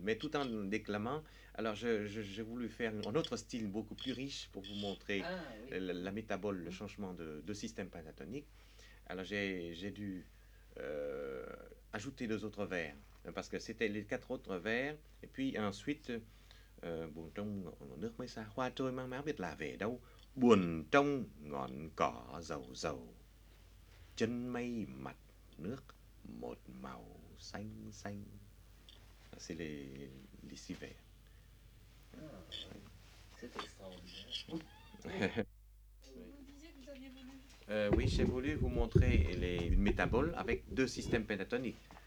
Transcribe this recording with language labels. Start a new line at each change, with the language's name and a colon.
French: Mais tout en déclamant, alors j'ai voulu faire un autre style beaucoup plus riche pour vous montrer la métabole, le changement de système pentatonique. Alors j'ai dû ajouter deux autres vers parce que c'était les quatre autres vers. Et puis ensuite, bon, donc, on a remis sa hoa toi, ma mère, la vers, d'où bon, donc, on a zau zau.
Vietnamese: Chân mây mặt nước một màu xanh xanh.
French: C'est les six vers. Ah, c'est extraordinaire. Vous disiez que vous aviez voulu... Oui, j'ai voulu vous montrer une métabole avec deux systèmes pentatoniques.